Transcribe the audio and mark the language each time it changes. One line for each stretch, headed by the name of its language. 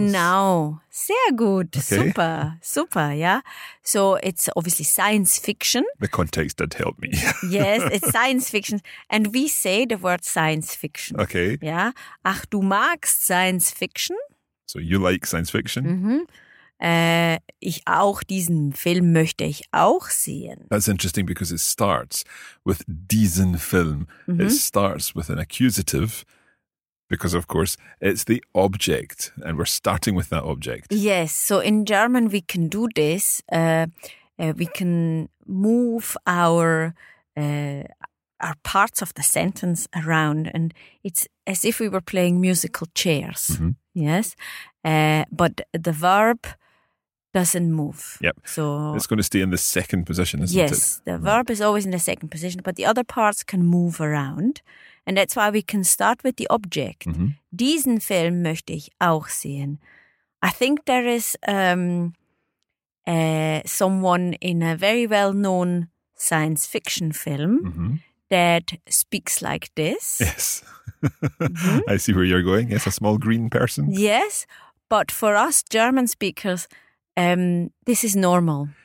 German: Genau. Sehr gut. Okay. Super. Super, yeah.
English: So it's obviously science fiction. The context did help me. Yes, it's science fiction. And we say the word science fiction. Okay.
German: Yeah. Ach, du magst science fiction.
English: So you like science fiction. Mm-hmm.
German: Ich auch, diesen Film möchte ich auch sehen.
English: That's interesting because it starts with
German: diesen Film.
English: Mm-hmm. It starts with an accusative because, of course, it's the object and we're starting with that object. Yes, so in German we can do this. We can move our parts of the sentence around and it's as if we were playing musical chairs. Mm-hmm. Yes, but the verb doesn't move. Yep. So it's going to stay in the second position, isn't yes, it? Yes. The verb is always in the second position, but the other parts can move around. And that's why we can start with the object. Mm-hmm.
German: Diesen Film möchte ich auch sehen.
English: I think there is someone in a very well-known science fiction film mm-hmm. that speaks like this. Yes. mm-hmm. I see where you're going. Yes, a small green person. Yes. But for us German speakers, this is normal.